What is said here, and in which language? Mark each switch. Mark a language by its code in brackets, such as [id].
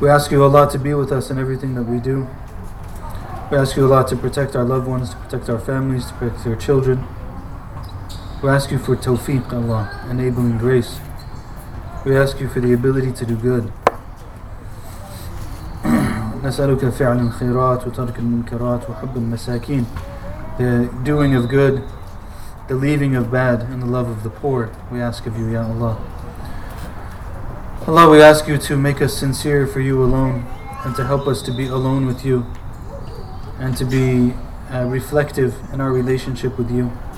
[en] We ask you, Allah, to be with us in everything that we do. We ask you, Allah, to protect our loved ones, to protect our families, to protect our children. We ask you for tawfiq, Allah, enabling grace. We ask you for the ability to do good. [ar] نسألك فعل الخيرات وترك المنكرات وحب المساكين. [en] The doing of good, the leaving of bad, and the love of the poor, we ask of you, Ya Allah. Allah, we ask you to make us sincere for you alone, and to help us to be alone with you, and to be reflective in our relationship with you.